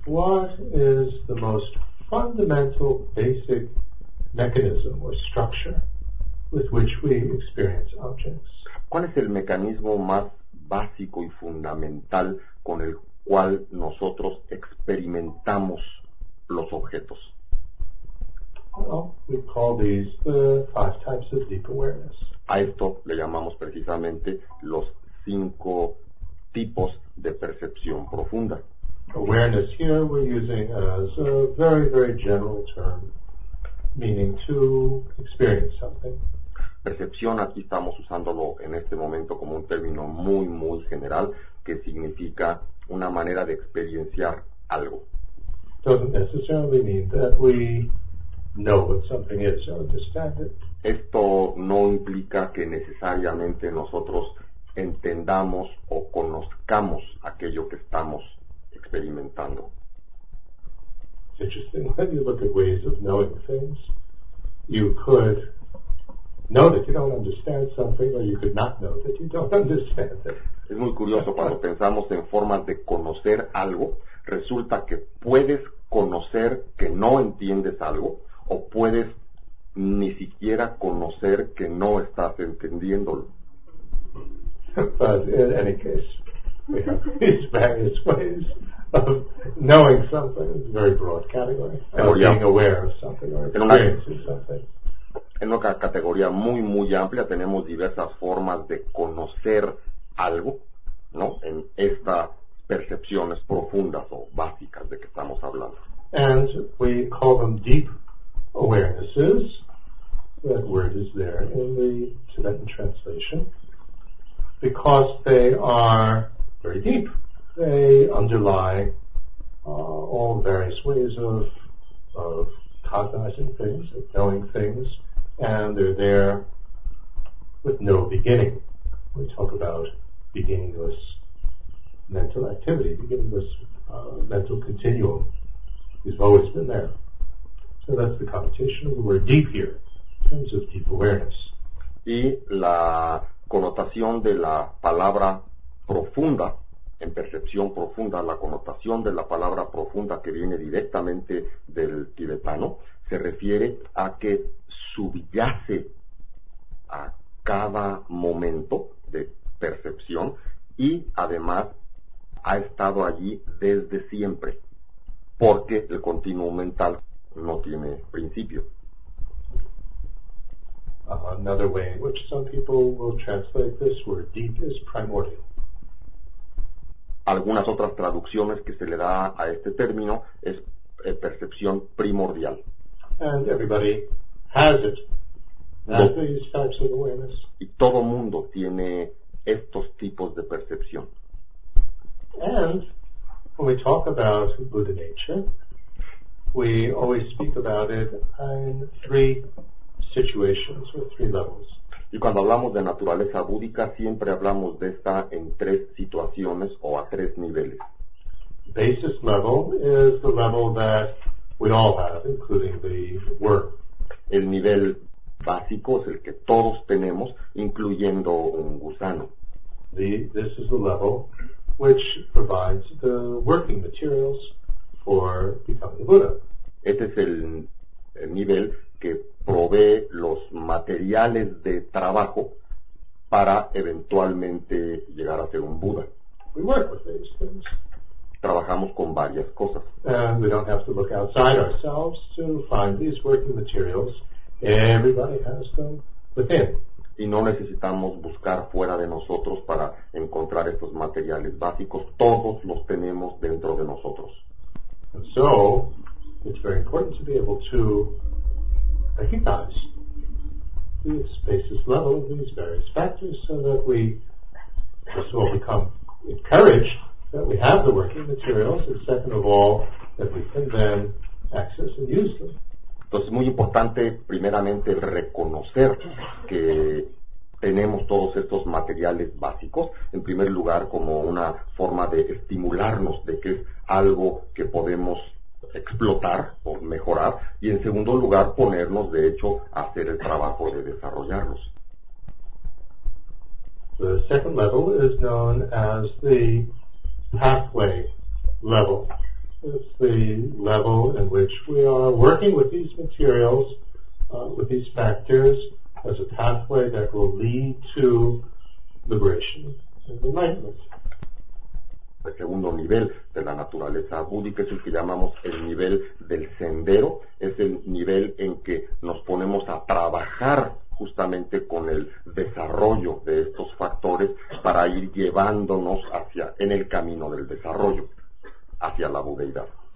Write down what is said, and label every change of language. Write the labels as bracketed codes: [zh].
[en] What is the most fundamental basic mechanism or structure with which we experience objects? [es] ¿Cuál es el mecanismo más básico y fundamental con el cual nosotros experimentamos los objetos? [en] Well, we call these the five types of deep awareness. [es] A esto le llamamos precisamente los cinco tipos de percepción profunda. [en] Awareness here we're using as a very, very general term, meaning to experience something. [es] Percepción aquí estamos usándolo en este momento como un término muy, muy general que significa una manera de experienciar algo. [en] Doesn't necessarily mean that we know what something is or understand it. [es] Esto no implica que necesariamente nosotros entendamos o conozcamos aquello que estamos experimentando. [en] It's interesting, when you look at ways of knowing things, you could know that you don't understand something, or you could not know that you don't understand it. [es] Es muy curioso cuando pensamos en formas de conocer algo, resulta que puedes conocer que no entiendes algo, o puedes ni siquiera conocer que no estás entendiéndolo. [en] But in any case, we have these various ways of knowing something, a very broad category, of being aware of something or experiencing something. [es] En una categoría muy, muy amplia tenemos diversas formas de conocer algo, ¿no? En estas percepciones profundas o básicas de que estamos hablando. [en] And we call them deep awarenesses. That word is there in the Tibetan translation. Because they are very deep. They underlie all various ways of cognizing things, of knowing things. And they're there with no beginning. We talk about beginningless mental activity, beginningless mental continuum. It's always been there. So that's the connotation of the word deep here, in terms of deep awareness. [es] Y la connotación de la palabra profunda, en percepción profunda, la connotación de la palabra profunda que viene directamente del tibetano, se refiere a que subyace a cada momento de percepción y además ha estado allí desde siempre, porque el continuo mental no tiene principio. [en] Another way in which some people will translate this word deep is primordial. [es] algunas otras traducciones que se le da a este término es percepción primordial. [en] And everybody has it. That's these types of awareness. [es] Y todo mundo tiene estos tipos de percepción. [en] And when we talk about Buddha nature, we always speak about it in three situations or three levels. [es] Y cuando hablamos de naturaleza búdica, siempre hablamos de esta en tres situaciones o a tres niveles. [en] Basis level is the level that we all have, including the worm. [es] El nivel básico es el que todos tenemos, incluyendo un gusano. [en] This is the level which provides the working materials for becoming a Buddha. [es] Este es el nivel que provee los materiales de trabajo para eventualmente llegar a ser un Buda. [en] We work with these things. [es] Trabajamos con varias cosas. [en] And we don't have to look outside ourselves to find these working materials. Everybody has them within. [es] Y no necesitamos buscar fuera de nosotros para encontrar estos materiales básicos. Todos los tenemos dentro de nosotros. And so, it's very important to be able to recognize these basis level, these various factors, so that we first of all become encouraged that we have the working materials, and second of all that we can then access and use them. Entonces es muy importante primeramente reconocer que tenemos todos estos materiales básicos, en primer lugar como una forma de estimularnos de que es algo que podemos explotar o mejorar, y en segundo lugar ponernos de hecho a hacer el trabajo de desarrollarlos. [en] The second level is known as the pathway level. It's the level in which we are working with these materials, with these factors, as a pathway that will lead to liberation and enlightenment. [es] El segundo nivel de la naturaleza búdica es el que llamamos el nivel del sendero. Es el nivel en que nos ponemos a trabajar justamente con el desarrollo de estos factores para ir llevándonos hacia, en el camino del desarrollo, hacia la budeidad.